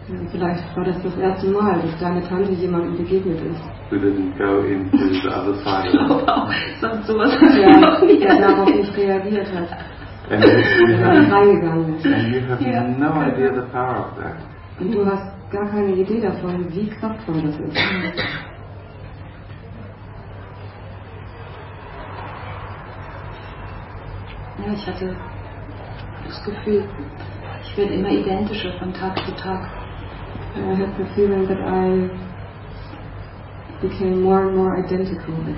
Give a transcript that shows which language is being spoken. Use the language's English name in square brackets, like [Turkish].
[German] Vielleicht war das das erste Mal, dass deine Tante jemandem begegnet ist. [English] Who didn't go into the other side. [German] Ich glaube auch, sowas hat sie noch nie erlebt. Der darauf nicht reagiert hat. [English] And you have no idea the power of that. [German] Und du hast gar keine Idee davon, wie kraftvoll das ist. Ja, ich hatte das Gefühl, ich werde immer identischer von Tag zu Tag. [English] I had the feeling that I became more and more identical.